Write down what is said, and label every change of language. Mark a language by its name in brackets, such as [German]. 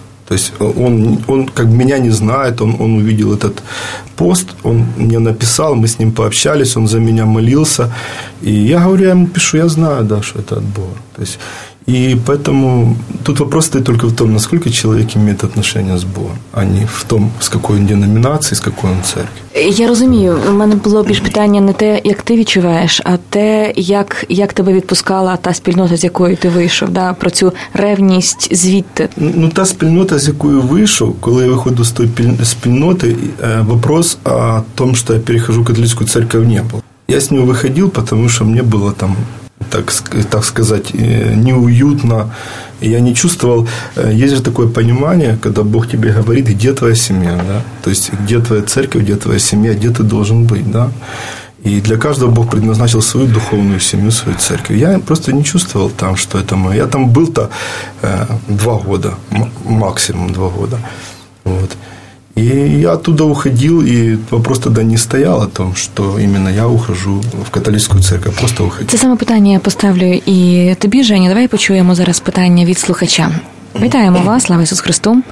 [Russian] То есть он как меня не знает, он увидел этот пост, он мне написал, мы с ним пообщались, он за меня молился, и я говорю, я ему пишу, я знаю, да, что это от Бога. То есть, и поэтому тут вопрос стоит только в том, насколько человек имеет отношение с Богом, а не в том, с какой он деноминацией, с какой он церкви. [Ukrainian] Я розумію, у мене було більш питання не те, як ти відчуваєш, а те, як тебе відпускала та спільнота, з якої ти вийшов, да, про цю ревність звідти. Ну, та спільнота, з якої вийшов, коли я виходив з тої спільноти, [Russian] вопрос о том, [Ukrainian] що я перехожу в католицьку церкву, не було. Я з нього виходив, тому що мені було там, так сказати, неуютно. [Russian] Я не чувствовал, есть же такое понимание, когда Бог тебе говорит, где твоя семья, да? То есть, где твоя церковь, где твоя семья, где ты должен быть, да? И для каждого Бог предназначил свою духовную семью, свою церковь. Я просто не чувствовал там, что это мое. Я там был-то два года, максимум два года, вот. И я оттуда уходил, и вопрос тогда не стоял о том, что именно я ухожу в католическую церковь, просто уходил. [Ukrainian] Це саме питання я поставлю і тобі, Жені. Давай почуємо зараз питання від слухача. Вітаємо вас, слава Ісусу Христу.